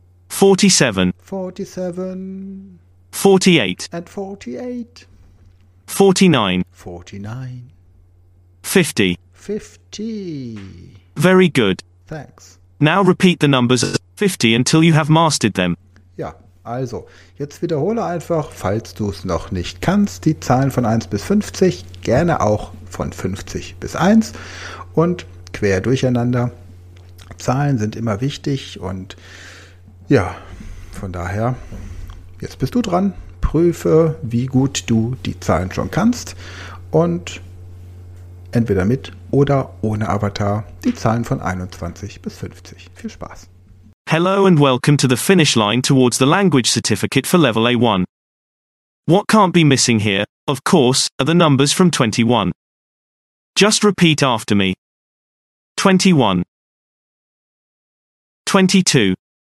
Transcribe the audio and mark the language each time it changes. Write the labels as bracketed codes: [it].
[en] 47. 47. 48. And 48. 49. 49. 50. 50. Very good. Thanks. Now repeat the numbers 50 until you have mastered them. [de] Ja, also, jetzt wiederhole einfach, falls du es noch nicht kannst, die Zahlen von 1 bis 50, gerne auch von 50 bis 1 und quer durcheinander. Zahlen sind immer wichtig und ja, von daher, jetzt bist du dran. Prüfe, wie gut du die Zahlen schon kannst und entweder mit oder ohne Avatar die Zahlen von 21 bis 50. Viel Spaß. [en] Hello and welcome to the finish line towards the language certificate for level A1. What can't be missing here, of course, are the numbers from 21. Just repeat after me. 21. 22.